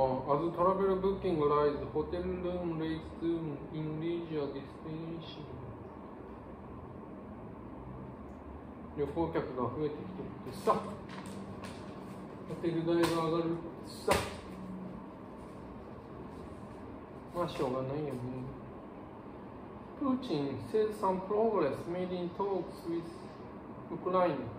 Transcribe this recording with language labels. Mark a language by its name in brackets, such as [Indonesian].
[English] As travel booking rise, hotel room rates zoom in leisure destination. [Japanese] 旅行客が増えてきてるってさ、ホテル代が上がるってさ、まあしょうがないよね。 [English] プーチン says some progress made in talks with Ukraine.